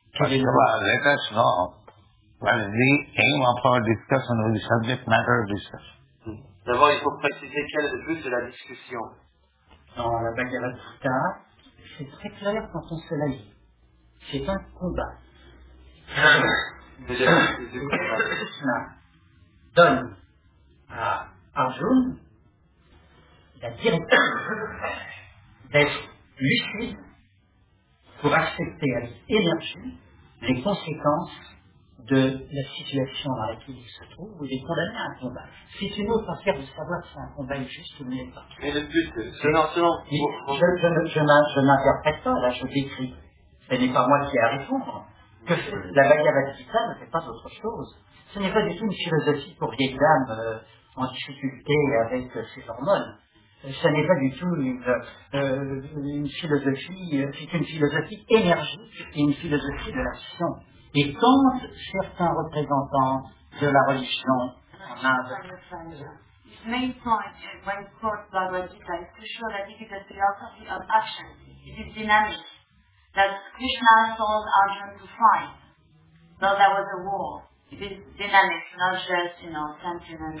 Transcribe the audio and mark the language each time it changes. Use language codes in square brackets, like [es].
[en] Let us know what is the aim of our discussion with the subject matter of discussion. [fr] D'abord, il faut préciser quel est le but de la discussion. Dans la Bhagavad Gita, c'est très clair quand on se l'a dit. C'est un combat. Krishna donne à Arjuna la direction d'être lucide pour accepter avec énergie les conséquences de la situation dans laquelle il se trouve, vous êtes condamné à un combat. C'est une autre affaire de savoir si un combat est juste ou non. Et le but, je n'interprète pas, là, je décris. Ce n'est pas moi qui ai à répondre. Que la Bhagavad Gita ne fait pas autre chose. Ce n'est pas du tout une philosophie pour vieilles dames en difficulté avec ses hormones. Ce n'est pas du tout une philosophie, c'est une philosophie énergique et une philosophie de l'action. Et quand certains représentants de la religion en Inde... [en] His main point when quote Bhagavad Gita is to show that it is a philosophy of action, it is dynamic, that Krishna's souls are drawn to fight, though there was a war. It is dynamic, not just, you know, sentiment,